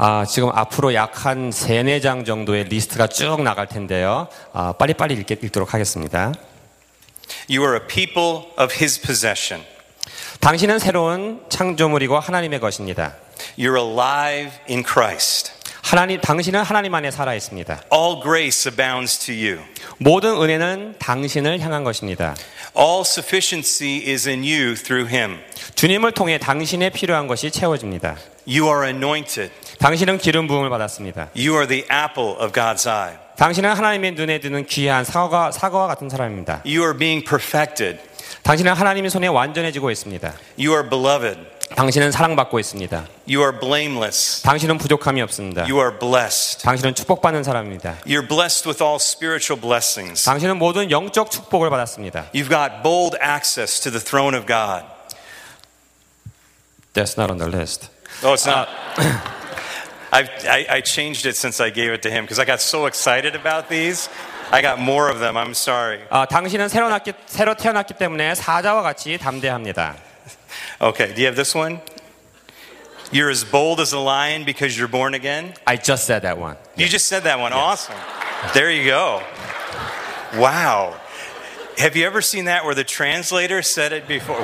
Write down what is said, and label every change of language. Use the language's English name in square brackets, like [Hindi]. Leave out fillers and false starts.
[Korean] 지금 앞으로 약 한 세네 장 정도의 리스트가 쭉 나갈 텐데요. 빨리빨리 읽도록 하겠습니다. [English] You are a people of His possession. [Korean] 당신은 새로운 창조물이고 하나님의 것입니다. [English] You're alive in Christ. [Korean] 하나님, 당신은 하나님 안에 살아 있습니다. [English] All grace abounds to you. [Korean] 모든 은혜는 당신을 향한 것입니다. [English] All sufficiency is in you through Him. [Korean] 주님을 통해 당신에 필요한 것이 채워집니다. [English] You are anointed. [Korean] 당신은 기름 부음을 받았습니다. [English] You are the apple of God's eye. [Korean] 당신은 하나님의 눈에 드는 귀한 사과와 같은 사람입니다. [English] You are being perfected. [Korean] 당신은 하나님의 손에 완전해지고 있습니다. [English] You are beloved. [Korean] 당신은 사랑받고 있습니다. [English] You are blameless. [Korean] 당신은 부족함이 없습니다. [English] You are blessed. [Korean] 당신은 축복받는 사람입니다. [English] You're blessed with all spiritual blessings. [Korean] 당신은 모든 영적 축복을 받았습니다. [English] You've got bold access to the throne of God. That's not on the list. Oh, it's not. I changed it since I gave it to him because I got so excited about these. I got more of them. I'm sorry. [Korean] 당신은 새로 태어났기 때문에 사자와 같이 담대합니다. [English] Okay, do you have this one? You're as bold as a lion because you're born again? I just said that one. You just said that one. Yes. Awesome. There you go. Wow. Have you ever seen that where the translator said it before?